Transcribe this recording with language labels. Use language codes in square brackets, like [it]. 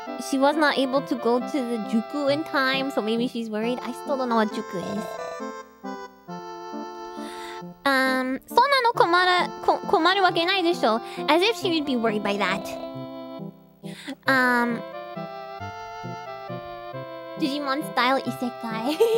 [en] She was not able to go to the juku in time, so maybe she's worried. I still don't know what juku is. [ja] そんなの困るわけないでしょ? [en] As if she would be worried by that. Digimon style isekai.